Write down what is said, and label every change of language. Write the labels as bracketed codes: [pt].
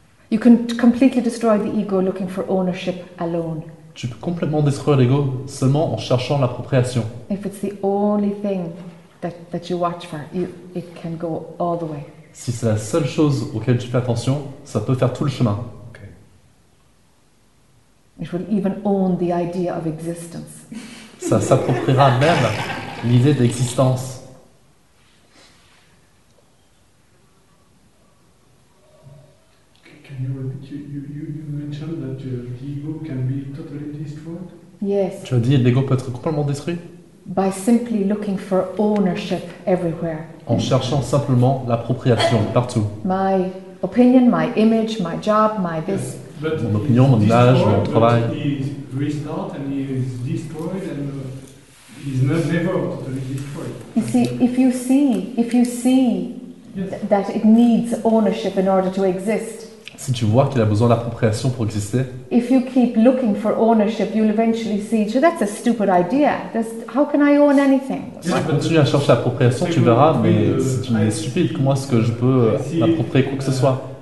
[en] You can completely destroy the ego looking for ownership alone. [fr] Tu peux complètement détruire l'ego seulement en cherchant l'appropriation. [en] If it's the only thing that you watch for, it can go all the way. [fr] Si c'est la seule chose auquel tu fais attention, ça peut faire tout le chemin. [en] Okay. It will even own the idea of existence. [fr] Ça s'appropriera même l'idée d'existence. [en] Can you repeat? You mentioned that the ego can be totally destroyed. Yes. [fr] Tu as dit l'ego peut être complètement détruit. [en] By simply looking for ownership everywhere. [fr] En cherchant simplement l'appropriation partout. [en] My opinion, my image, my job, my this. [fr] But mon opinion, mon image, mon travail. [en] He is restored and he is destroyed and he's never totally destroyed. You see, if you see yes. That it needs ownership in order to exist. [fr] Si tu vois qu'il a besoin d'appropriation pour exister. [en] If you keep looking for ownership, you'll eventually see. So that's a stupid idea. How can I own anything? [fr] Si tu continues à chercher l'appropriation, tu verras, mais c'est une idée stupide. Comment est-ce que je peux m'approprier quoi que ce soit?